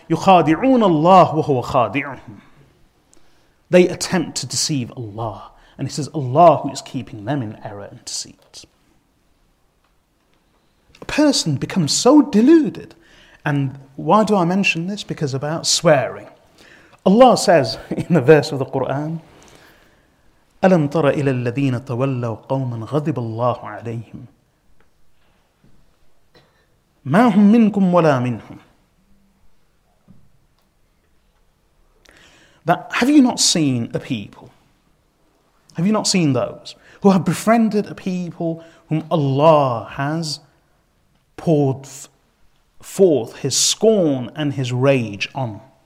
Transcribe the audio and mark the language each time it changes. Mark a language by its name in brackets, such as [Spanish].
[Arabic] يُخَادِعُونَ اللَّهُ وَهُوَ خَادِعُهُمْ. [English] They attempt to deceive Allah, and it is Allah who is keeping them in error and deceit. A person becomes so deluded. And why do I mention this? Because about swearing. Allah says in the verse of the Quran, [Arabic] أَلَمْ تَرَ إِلَى الَّذِينَ تَوَلَّوْا قَوْمًا غَضِبَ اللَّهُ عَلَيْهِمْ مَا هُمْ مِنْكُمْ وَلَا مِنْهُمْ. [English] That have you not seen a people? Have you not seen those who have befriended a people whom Allah has poured forth his scorn and his rage on?